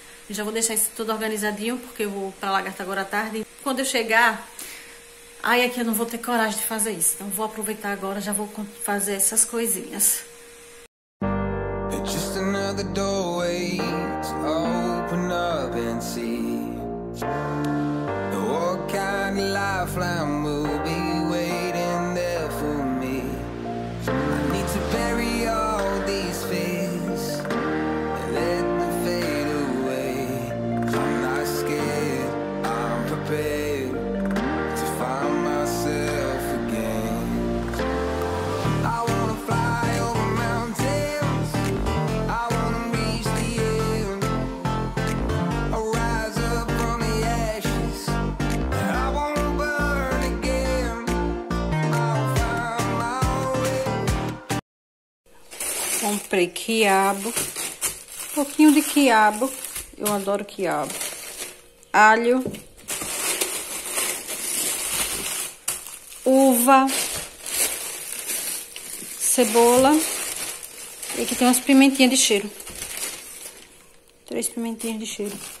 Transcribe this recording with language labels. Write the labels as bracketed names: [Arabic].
[Portuguese] Já vou deixar isso tudo organizadinho, porque eu vou pra Lagarta agora à tarde. Quando eu chegar, ai, aqui eu não vou ter coragem de fazer isso. Então vou aproveitar agora, já vou fazer essas coisinhas. [English] Just another doorway to open up and see. What kind of lifeline will be waiting there for me. To bury all these fears and let them fade away. I'm not scared, I'm prepared to find myself again. I wanna fly over mountains, I wanna reach the end. I rise up from the ashes, and I wanna burn again. I'll find my way. [Portuguese] Comprei quiabo, um pouquinho de quiabo, eu adoro quiabo, alho, uva, cebola, e aqui tem umas pimentinhas de cheiro, três pimentinhas de cheiro.